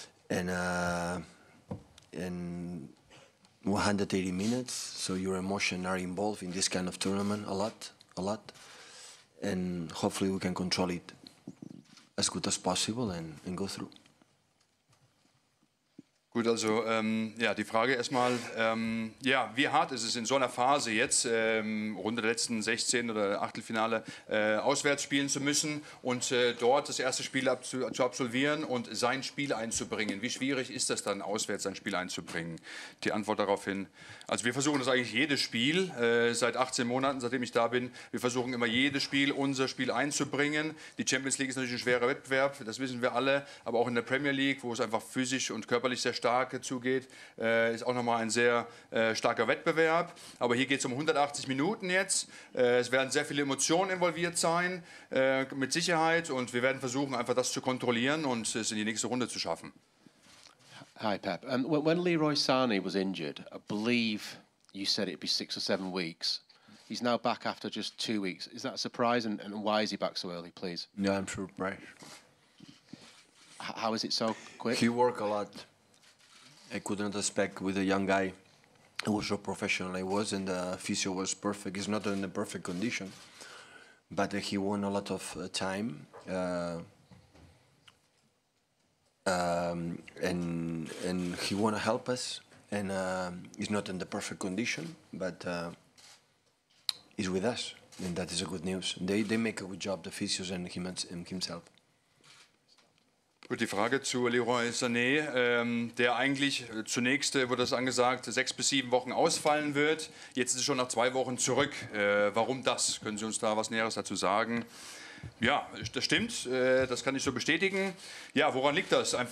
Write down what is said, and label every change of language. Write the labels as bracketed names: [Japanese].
[English] And 180 minutes, so your emotions are involved in this kind of tournament a lot. And hopefully we can control it as good as possible and go through. [German] Gut, also ja, die Frage erstmal, ja, wie hart ist es in so einer Phase jetzt, Runde der letzten 16 oder Achtelfinale, auswärts spielen zu müssen und dort das erste Spiel zu absolvieren und sein Spiel einzubringen? Wie schwierig ist das dann, auswärts sein Spiel einzubringen? Die Antwort daraufhin, also wir versuchen das eigentlich jedes Spiel, seit 18 Monaten, seitdem ich da bin, wir versuchen immer jedes Spiel unser Spiel einzubringen. Die Champions League ist natürlich ein schwerer Wettbewerb, das wissen wir alle, aber auch in der Premier League, wo es einfach physisch und körperlich sehr stark zugeht, ist auch nochmal ein sehr starker Wettbewerb. Aber hier geht es um 180 Minuten jetzt. Es werden sehr viele Emotionen involviert sein, mit Sicherheit. Und wir werden versuchen, einfach das zu kontrollieren und es in die nächste Runde zu schaffen. [English] Hi Pep. When Leroy Sané was injured, I believe you said it'd be 6 or 7 weeks. He's now back after just 2 weeks. Is that a surprise and why is he back so early, please? No, I'm surprised. How is it so quick? He work a lot. I couldn't expect with a young guy who was so professional I was, and the physio was perfect. He's not in the perfect condition, but he won a lot of time. And he want to help us, and he's not in the perfect condition, but he's with us, and that is a good news. They make a good job, the physios and him and himself. [German] Gut, die Frage zu Leroy Sané, der eigentlich zunächst, wurde das angesagt, 6 bis 7 Wochen ausfallen wird. Jetzt ist es schon nach 2 Wochen zurück. Warum das? Können Sie uns da was Näheres dazu sagen? Ja, das stimmt. Das kann ich so bestätigen. Ja, woran liegt das?